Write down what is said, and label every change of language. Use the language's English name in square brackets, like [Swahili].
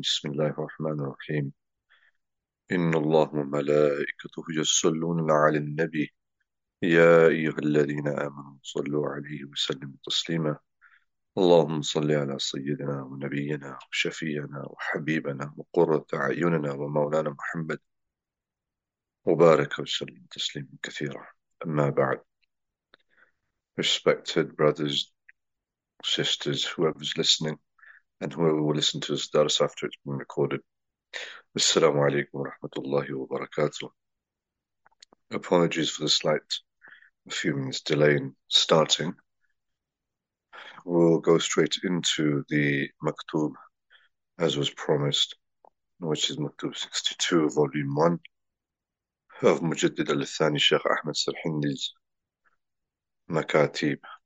[Arabic] بسم الله الرحمن الرحيم. إن الله وملائكته يصلون على النبي، يا أيها الذين آمنوا صلوا عليه وسلموا تسليما. اللهم صل على سيدنا ونبينا وشفينا وحبيبنا وقرة أعيننا ومولانا محمد، وبارك وسلم تسليما كثيرا. أما بعد، [English] respected brothers, sisters, whoever's listening, and whoever will listen to this درس after it's been recorded. [Arabic] السلام عليكم ورحمة الله وبركاته. [English] Apologies for the slight, a few minutes delay in starting. We'll go straight into the Maktub, as was promised, which is Maktub 62, Volume 1. Of Mujaddid al-Thani Sheikh Ahmed Sarhindi's Makatib.